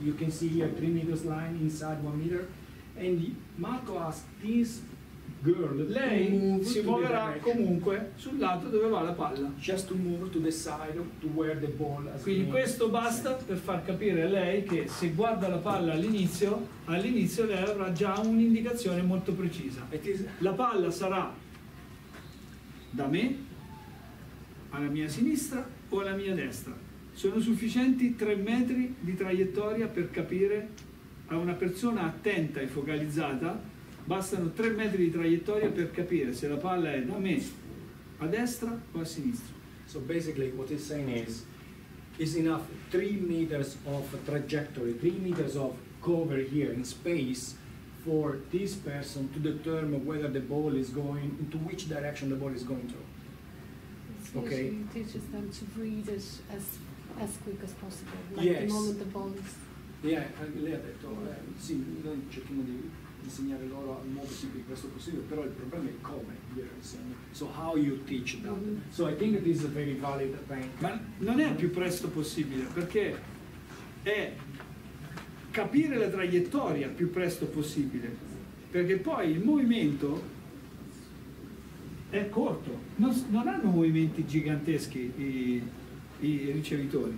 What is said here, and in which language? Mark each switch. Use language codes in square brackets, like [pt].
[en] You can see here 3 meters line inside 1 meter. And Marco asks this girl, [it] lei si muoverà comunque sul lato dove va la palla. [en] Just to move to the side to where the ball has. [it] Quindi questo basta per far capire a lei che se guarda la palla all'inizio lei avrà già un'indicazione molto precisa. La palla sarà da me alla mia sinistra o alla mia destra. Sono sufficienti 3 metri di traiettoria per capire a una persona attenta e focalizzata. Bastano 3 metri di traiettoria per capire se la palla è da me a destra o a sinistra. [en] So basically what he's saying is, it's enough 3 meters of trajectory, 3 meters of cover here in space for this person to determine whether the ball is going, into which direction the ball is going to. Okay. It teaches them to read it as quick as possible, like yes. The moment the ball is... [it] Yeah, lei ha detto, sì, noi cerchiamo di... insegnare loro al modo più di questo possibile, però il problema è come [en] so how you teach that. So I think it is a very valid thing. [it] Ma non è più presto possibile, perché è capire la traiettoria più presto possibile, perché poi il movimento è corto, non hanno movimenti giganteschi i ricevitori.